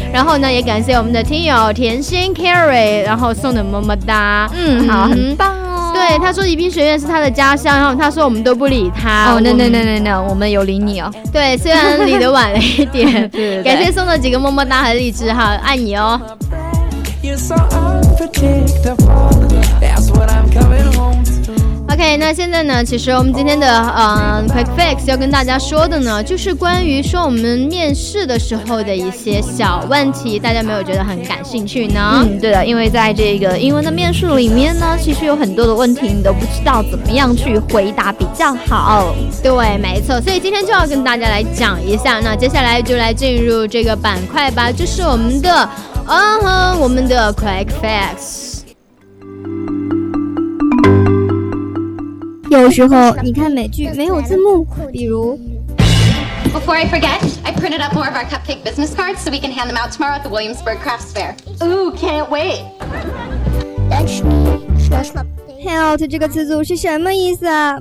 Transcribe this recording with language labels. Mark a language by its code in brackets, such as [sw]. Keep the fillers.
[zh] 然后呢，也感谢我们的听友甜心 Carry，然后送的么么哒。嗯，好，很棒哦。对，他说宜宾学院是他的家乡，然后他说我们都不理他。哦，我那们那那那那，我们有理你哦。对，虽然理的晚了一点，对对对感谢送的几个么么哒和荔枝哈，爱你哦。 [en] You're so unpredictable. That's what I'm coming home to. [zh] OK，那现在呢，其实我们今天的嗯、Quick Fix 要跟大家说的呢，就是关于说我们面试的时候的一些小问题，大家没有觉得很感兴趣呢？嗯，对的，因为在这个英文的面试里面呢，其实有很多的问题你都不知道怎么样去回答比较好。对，没错，所以今天就要跟大家来讲一下。那接下来就来进入这个板块吧，就是我们的，嗯哼，我们的 Quick Facts。有时候你看美剧没有字幕，比如 [en] Before I forget, I printed up more of our cupcake business cards so we can hand them out tomorrow at the Williamsburg Crafts Fair. Ooh, can't wait. [zh] “help” 这个词组是什么意思啊？